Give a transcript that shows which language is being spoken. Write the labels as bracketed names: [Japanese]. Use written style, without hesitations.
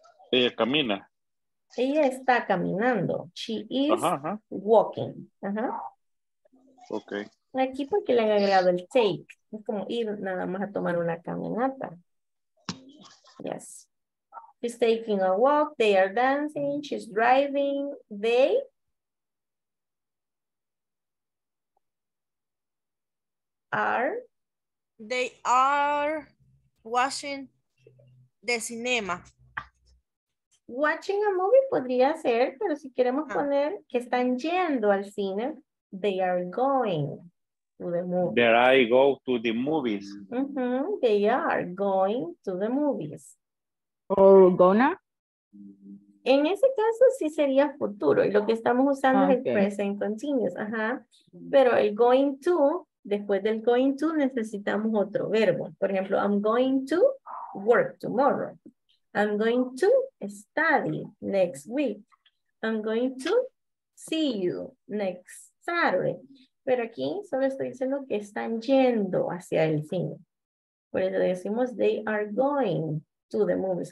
[Spanish] Ella camina. Ella está caminando. [English] She is walking. Okay. [Spanish] Aquí porque le han agregado el take. Es como ir nada más a tomar una caminata. [English] Yes. She's taking a walk. They are dancing. She's driving. They. are? They are watching the cinema. Watching a movie [Spanish] podría ser, pero si queremos poner que están yendo al cine, [English] they are going to the movie. There I go to the movies. Mm-hmm. They are going to the movies. Or gonna? [Spanish] En ese caso sí sería futuro, y lo que estamos usando okay. es el present continuous. Ajá. Pero el going to, después del going to necesitamos otro verbo. Por ejemplo, [English] I'm going to work tomorrow. I'm going to study next week. I'm going to see you next Saturday. [Spanish] Pero aquí solo estoy diciendo que están yendo hacia el cine. Por eso decimos [English] they are going to the movies.